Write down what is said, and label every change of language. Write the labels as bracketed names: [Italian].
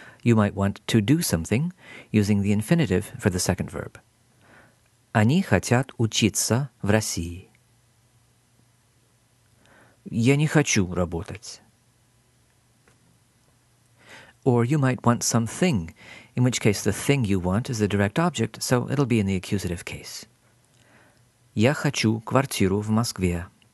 [English] You might want to do something using the infinitive for the second verb. [Russian] Они хотят учиться в России. Я не хочу работать. [English] Or you might want something, in which case the thing you want is the direct object, so it'll be in the accusative case. [Russian] Я хочу квартиру в Москве.